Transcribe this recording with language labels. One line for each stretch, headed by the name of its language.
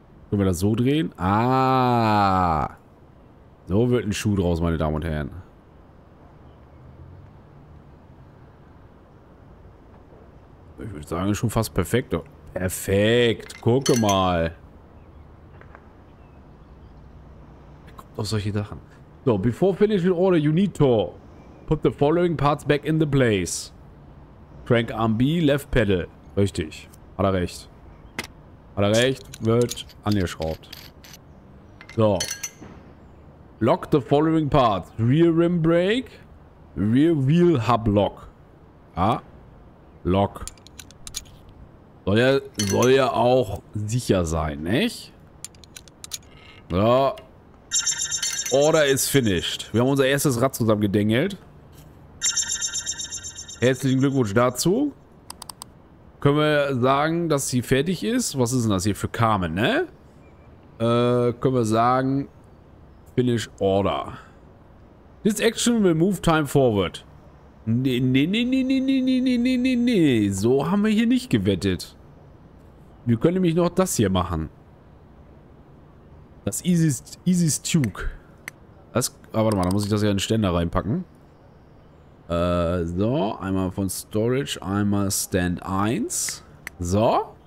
German: Können wir das so drehen? Ah! So wird ein Schuh draus, meine Damen und Herren. Ich würde sagen, schon fast perfekt. Perfekt! Gucke mal! Er kommt auf solche Sachen.
English: So, before finishing order, you need to put the following parts back in the place. Crank Arm B, Left Pedal.
German: Richtig. Hat er recht. Hat er recht, wird angeschraubt. So.
English: Lock the following parts. Rear rim brake. Rear wheel hub lock. Ja. Lock.
German: Soll ja auch sicher sein, nicht? So.
English: Order is finished.
German: Wir haben unser erstes Rad zusammen gedengelt. Herzlichen Glückwunsch dazu. Können wir sagen, dass sie fertig ist? Was ist denn das hier für Carmen, ne? Können wir sagen, Finish Order.
English: This action will move time forward.
German: Nee, nee, nee, nee, nee, nee, nee, nee, nee, nee, nee. So haben wir hier nicht gewettet. Wir können nämlich noch das hier machen. Das Easy's Tuke. Das, aber warte mal, da muss ich das ja in den Ständer reinpacken. So, einmal von Storage, einmal Stand 1. So.